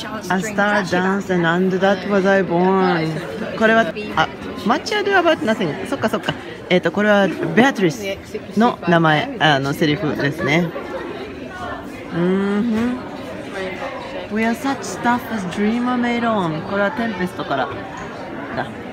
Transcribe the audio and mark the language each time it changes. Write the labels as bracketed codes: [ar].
[en] A star danced and under that was I born。 [ja] これはあ、 [en] Much ado about nothing。 [ja] そっかそっか、これはベアトリスの名前、あのセリフですね。 [en] We are such stuff as dream are made on。 [ja] これはテンペストからだ。